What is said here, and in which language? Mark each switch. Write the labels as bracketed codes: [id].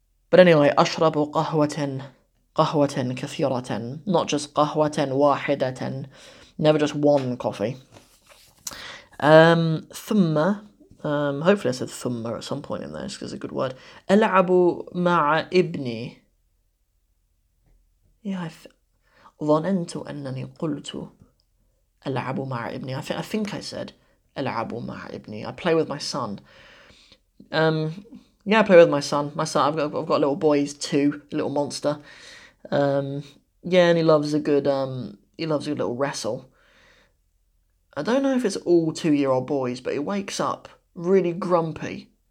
[en] But anyway, [ar] أشرب قهوة كثيرة, [en] not just [ar] قهوة واحدة, [en] never just one coffee. ثم, hopefully I said ثم at some point in there, because it's a good word. [ar] ألعب مع ابني. Yeah, ظننت أنني قلت ألعب مع ابني. [en] I think I said [ar] ألعب مع ابني. [en] I play with my son. Yeah, I play with my son. I've got a little boy, he's 2, a little monster. Yeah, and he loves a good little wrestle. I don't know if it's all 2-year-old boys, but he wakes up really grumpy.